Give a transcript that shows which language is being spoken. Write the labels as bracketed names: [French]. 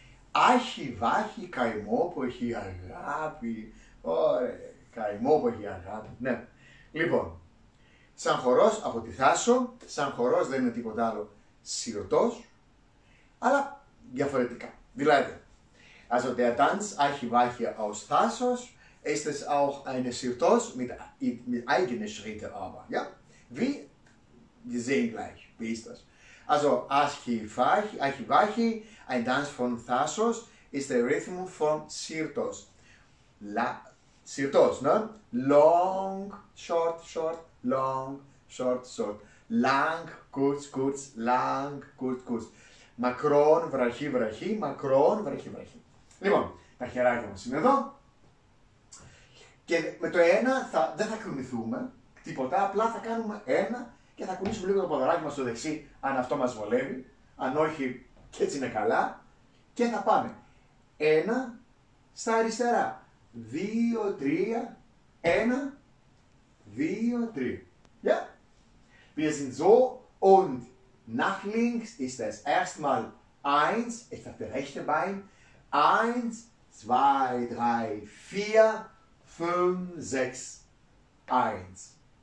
[Greek] Άχι βάχι καημό που έχει αγάπη. Ωραία, καημό που έχει αγάπη. Ναι, λοιπόν, σαν χορός από τη Θάσο, σαν χορός δεν είναι τίποτα άλλο σιωτός, αλλά διαφορετικά. [German] Δηλαδή, also der Tanz Άχι βάχι aus Thassos ist es auch ein Sirtos mit eigenen Schritte aber, ja? Wie? Wir sehen gleich. Also Achivachi, ein Tanz von Thasos, ist der Rhythmus von Sirtos. [English] Sirtos, ne? Long, short, short, long, short, short. [German] Lang, kurz, kurz, lang, kurz, kurz. [Greek] Makron, vrachi, vrachi, makron, vrachi, vrachi. Λοιπόν, τα χεράκια μας είναι εδώ. Και με το ένα δεν θα κουνηθούμε τίποτα, απλά θα κάνουμε ένα και θα κουνήσουμε λίγο το ποδαράκι μας στο δεξί, αν αυτό μας βολεύει, αν όχι και έτσι είναι καλά, και θα πάμε. Ένα στα αριστερά, δύο, τρία, ένα, δύο, τρία. [German] Ja? Wir sind so und nach links ist es erstmal eins, ich habe das rechte Bein, eins, zwei, drei, vier, fünf, sechs, eins.